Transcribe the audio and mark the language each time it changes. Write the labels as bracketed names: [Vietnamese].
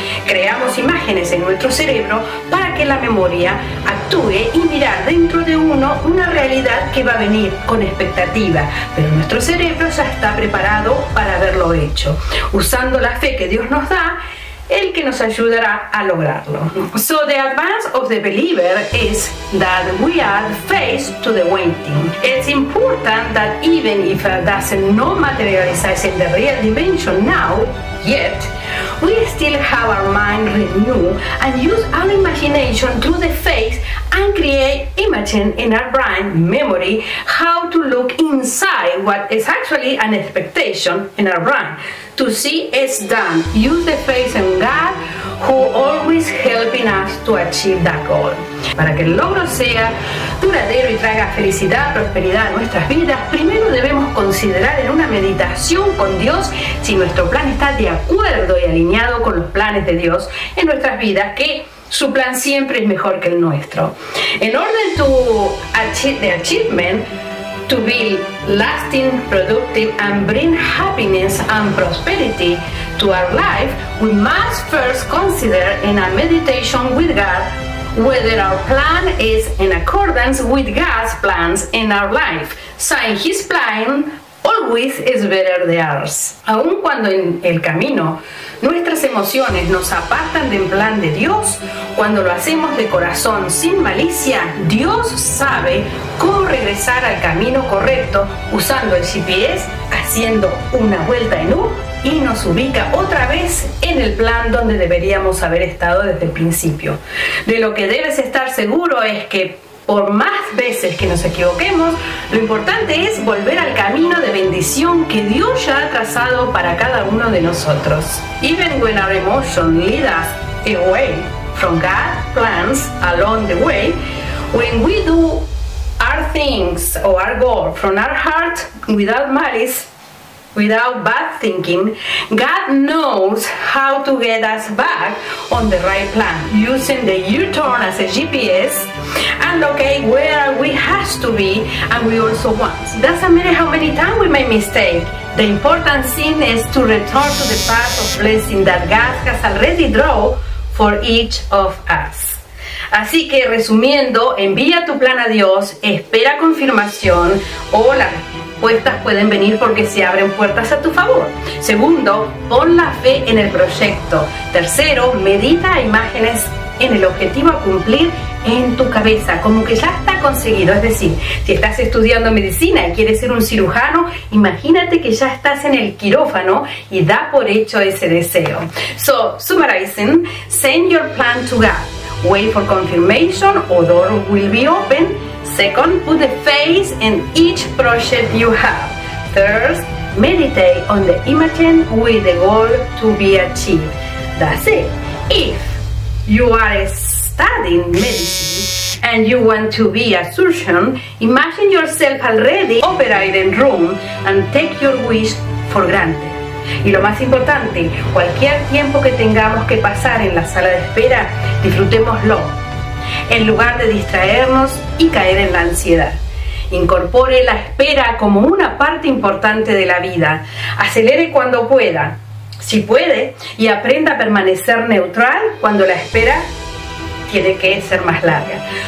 [Spanish] Creamos imágenes en nuestro cerebro para que la memoria actúe y mirar dentro de uno una realidad que va a venir con expectativa, pero nuestro cerebro ya está preparado para haberlo hecho. Usando la fe que Dios nos da, el que nos ayudará a lograrlo. [English] So the advance of the believer is that we add faith to the waiting. It's important that even if it doesn't no materializes in the real dimension now, yet, we still have our mind renewed and use our imagination through the faith and create imagine in our brain memory how to look inside what is actually an expectation in our brain. To see it's done, use the faith in God who always helping us to achieve that goal. [Spanish] Para que el logro sea duradero y traiga felicidad, prosperidad a nuestras vidas, primero debemos considerar en una meditación con Dios si nuestro plan está de acuerdo y alineado con los planes de Dios en nuestras vidas, que su plan siempre es mejor que el nuestro. En orden [English] to achieve the achievement, to build lasting, productive, and bring happiness and prosperity to our life, we must first consider in a meditation with God whether our plan is in accordance with God's plans in our life. Saying His plan always is better than ours. [Spanish] Aun cuando en el camino nuestras emociones nos apartan del plan de Dios, cuando lo hacemos de corazón sin malicia, Dios sabe cómo regresar al camino correcto usando el GPS, haciendo una vuelta en U y nos ubica otra vez en el plan donde deberíamos haber estado desde el principio. De lo que debes estar seguro es que por más veces que nos equivoquemos, lo importante es volver al camino de bendición que Dios ya ha trazado para cada uno de nosotros. [English] Even when our emotion leads us away from God's plans along the way, when we do our things or our goal from our heart without malice, without bad thinking, God knows how to get us back on the right plan, using the U-turn as a GPS and locate where we has to be and we also want. Doesn't matter how many times we make mistakes, the important thing is to return to the path of blessing that God has already drawn for each of us. [Spanish] Así que resumiendo, envía tu plan a Dios, espera confirmación o la respuestas pueden venir porque se abren puertas a tu favor. Segundo, pon la fe en el proyecto. Tercero, medita imágenes en el objetivo a cumplir en tu cabeza, como que ya está conseguido. Es decir, si estás estudiando medicina y quieres ser un cirujano, imagínate que ya estás en el quirófano y da por hecho ese deseo. [English] So, summarizing, send your plan to God. Wait for confirmation, or door will be open. Second, put the faith in each project you have. Third, meditate on the image with the goal to be achieved. That's it. If you are studying medicine and you want to be a surgeon, imagine yourself already operating room and take your wish for granted. [Spanish] Y lo más importante, cualquier tiempo que tengamos que pasar en la sala de espera, disfrutémoslo, en lugar de distraernos y caer en la ansiedad. Incorpore la espera como una parte importante de la vida. Acelere cuando pueda, si puede, y aprenda a permanecer neutral cuando la espera tiene que ser más larga.